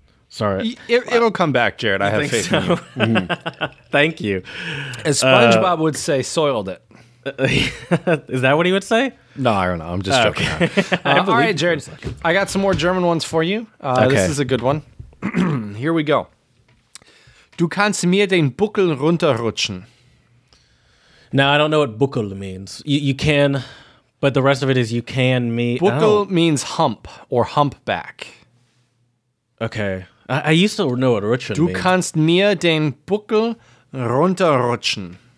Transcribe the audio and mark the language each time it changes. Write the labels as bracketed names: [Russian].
[English] Sorry. It'll come back, Jared. I have faith in you. Mm. Thank you. As SpongeBob would say, soiled it. Is that what he would say? No, I don't know. I'm just joking. Okay. all right, Jared. I got some more German ones for you. Okay. This is a good one. Here we go. [German] Du kannst mir den Buckel runterrutschen. [English] Now, I don't know what Buckel means. You can, but the rest of it is you can me. Buckel means hump or humpback. Okay. I used to know what rutschen [German] means. Du kannst mir den Buckel runterrutschen.